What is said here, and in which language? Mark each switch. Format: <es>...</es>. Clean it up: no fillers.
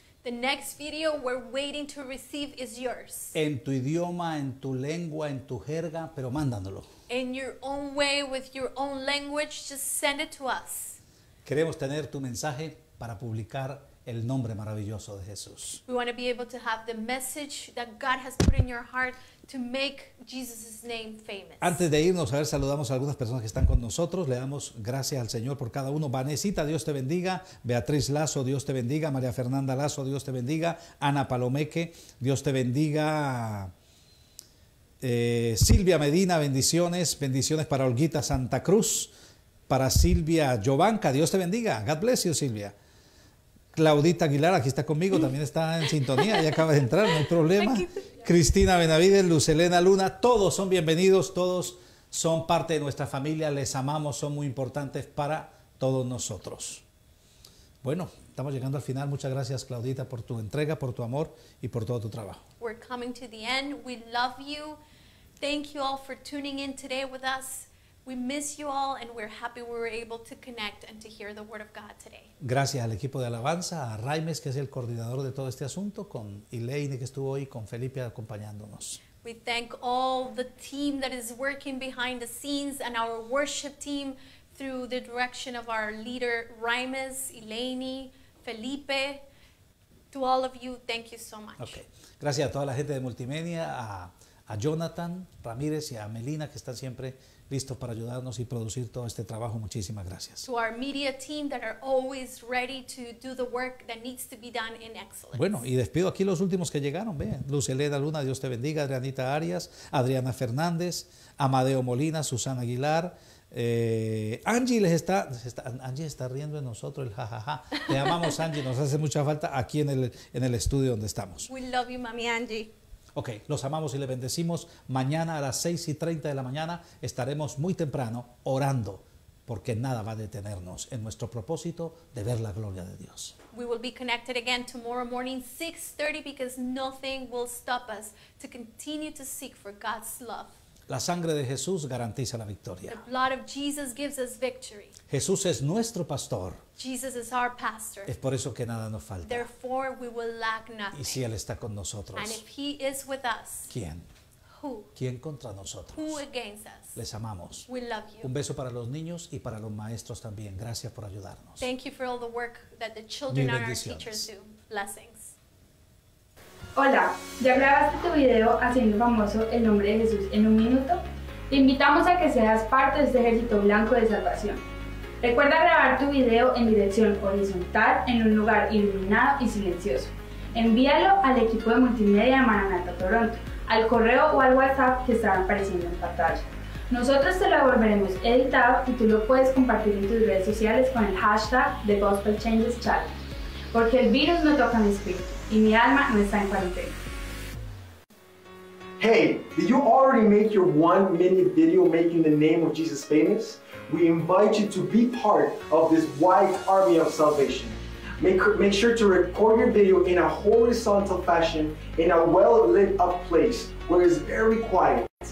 <en>The next video we're waiting to receive is yours.</en> <es>En tu idioma, en tu lengua, en tu jerga, pero mándanoslo.</es> <en>In your own way, with your own language, just send it to us.</en> <es>Queremos tener tu mensaje para publicar el nombre maravilloso de Jesús.</es> <en>We want to be able to have the message that God has put in your heart to make Jesus' name famous.</en> <es>Antes de irnos, a ver, saludamos a algunas personas que están con nosotros. Le damos gracias al Señor por cada uno. Vanesita, Dios te bendiga. Beatriz Lazo, Dios te bendiga. María Fernanda Lazo, Dios te bendiga. Ana Palomeque, Dios te bendiga. Silvia Medina, bendiciones. Bendiciones para Olguita Santa Cruz. Para Silvia Giovanca, Dios te bendiga.</es> <en>God bless you, Silvia.</en> <es>Claudita Aguilar, aquí está conmigo, también está en sintonía, ya acaba de entrar, no hay problema. Cristina Benavides, Lucelena Luna, todos son bienvenidos, todos son parte de nuestra familia, les amamos, son muy importantes para todos nosotros. Bueno, estamos llegando al final, muchas gracias Claudita por tu entrega, por tu amor y por todo tu trabajo.</es> <en>We're coming to the end, we love you, thank you all for tuning in today with us. We miss you all and we're happy we were able to connect and to hear the word of God today.</en> <es>Gracias al equipo de alabanza, a Raimes, que es el coordinador de todo este asunto, con Elaine, que estuvo hoy, con Felipe acompañándonos.</es> <en>We thank all the team that is working behind the scenes and our worship team through the direction of our leader, Raimes, Elaine, Felipe. To all of you, thank you so much. Okay.</en> <es>Gracias a toda la gente de Multimedia, a Jonathan Ramírez y a Melina, que están siempre listo para ayudarnos y producir todo este trabajo. Muchísimas gracias.</es> <en>To our media team that are always ready to do the work that needs to be done in excellence.</en> <es>Bueno, y despido aquí los últimos que llegaron, ve. Lucelena Luna, Dios te bendiga. Adrianita Arias, Adriana Fernández, Amadeo Molina, Susana Aguilar, Angie Angie está riendo de nosotros, el jajaja. Te amamos, Angie, nos hace mucha falta aquí en el estudio donde estamos.</es> <en>We love you, mami Angie.</en> <es>Ok, los amamos y les bendecimos. Mañana a las 6:30 de la mañana estaremos muy temprano orando porque nada va a detenernos en nuestro propósito de ver la gloria de Dios.</es> <en>We will be connected again tomorrow morning 6:30 because nothing will stop us to continue to seek for God's love.</en> <es>La sangre de Jesús garantiza la victoria.</es> <en>The blood of Jesus gives us victory.</en> <es>Jesús es nuestro pastor.</es> <en>Jesus is our pastor.</en> <es>Es por eso que nada nos falta.</es> <en>Therefore, we will lack nothing.</en> <es>Y si Él está con nosotros.</es> <en>And if He is with us.</en> <es>¿Quién?</es> <en>Who?</en> <es>¿Quién contra nosotros?</es> <en>Who against us?</en> <es>Les amamos.</es> <en>We love you.</en> <es>Un beso para los niños y para los maestros también. Gracias por ayudarnos.</es> <en>Thank you for all the work that the children and our teachers do. Blessings.</en> <es>Hola, ¿ya grabaste tu video haciendo famoso el nombre de Jesús en un minuto? Te invitamos a que seas parte de este ejército blanco de salvación. Recuerda grabar tu video en dirección horizontal, en un lugar iluminado y silencioso. Envíalo al equipo de Multimedia de Maranatha, Toronto, al correo o al WhatsApp que estarán apareciendo en pantalla. Nosotros te lo volveremos editado y tú lo puedes compartir en tus redes sociales con el hashtag The Gospel Changes Challenge. Porque el virus no toca mi espíritu y mi alma no está en cuarentena.</es> <en>Hey, did you already make your 1 minute video making the name of Jesus famous? We invite you to be part of this wide army of salvation. Make sure to record your video in a horizontal fashion in a well-lit up place where it's very quiet.</en>